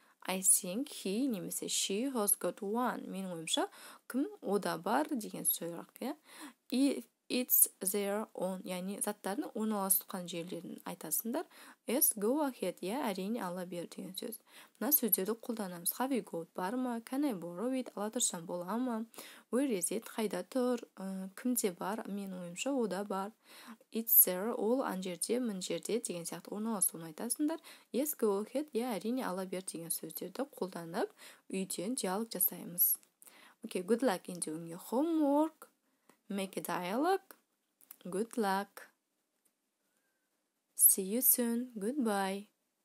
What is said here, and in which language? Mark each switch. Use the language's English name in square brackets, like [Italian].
[English] I think he, немесе she, has got one. [Kazakh] Менің ойымша, кім ода бар деген сұрақ. [English] Yeah? If it's there on, [Kazakh] яғни заттарының орналасқан жерлерін айтасындар. [English] Yes, go ahead, yeah, [Kazakh] әрине ала бер деген сөз. Мына сөздерді қолданамыз. [English] Have you got, [Kazakh] бар ма? [English] Can I borrow it? [Kazakh] Ала тұрсам бола ма? [English] Where is it? [Kazakh] Қайда тұр? Кімде бар? Менің ойымша, ода бар. [English] It's there, [Kazakh] ол ан жерде, мін жерде деген сияқты орналасуын айтасындар. [English] Yes, go ahead, yeah, [Kazakh] әрине ала бер деген сөздерді қолданып, үйден диалог жасаймыз. [English] Okay, good luck in doing your homework. Make a dialogue. Good luck. See you soon. Goodbye.